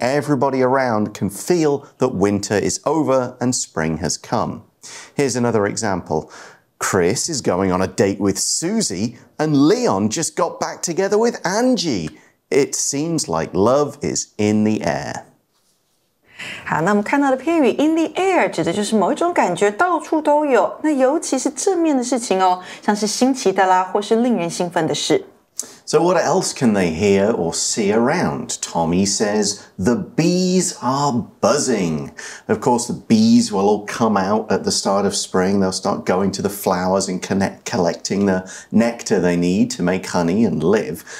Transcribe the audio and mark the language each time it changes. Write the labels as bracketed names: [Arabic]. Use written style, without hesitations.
[English] Everybody around can feel that winter is over and spring has come. Here's another example. Chris is going on a date with Susie and Leon just got back together with Angie. It seems like love is in the air. [Chinese] 好，那我们看到的片语 in the air 指的就是某一种感觉到处都有，那尤其是正面的事情哦，像是新奇的啦，或是令人兴奋的事。 [English] So what else can they hear or see around? Tommy says, the bees are buzzing. Of course, the bees will all come out at the start of spring. They'll start going to the flowers and collecting the nectar they need to make honey and live.